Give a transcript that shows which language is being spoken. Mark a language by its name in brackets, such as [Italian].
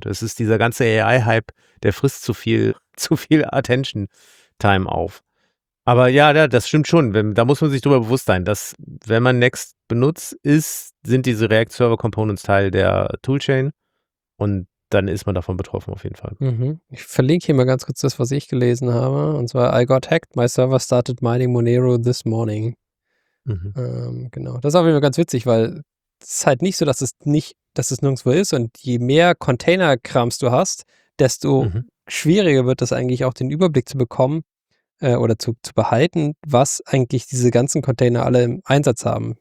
[German] Das ist dieser ganze AI-Hype, der frisst zu viel Attention-Time auf. Aber ja, das stimmt schon. Da muss man sich darüber bewusst sein, dass wenn man Next benutzt, sind diese React-Server-Components Teil der Toolchain und dann ist man davon betroffen auf jeden Fall. Mhm. Ich verlinke hier mal ganz kurz das, was ich gelesen habe. Und zwar, [English] I got hacked, my server started mining Monero this morning. Mhm. [German] Genau, das ist auf jeden Fall ganz witzig, weil es ist halt nicht so, dass es nirgendwo ist. Und je mehr Container-Krams du hast, desto schwieriger wird es eigentlich auch, den Überblick zu bekommen oder zu behalten, was eigentlich diese ganzen Container alle im Einsatz haben.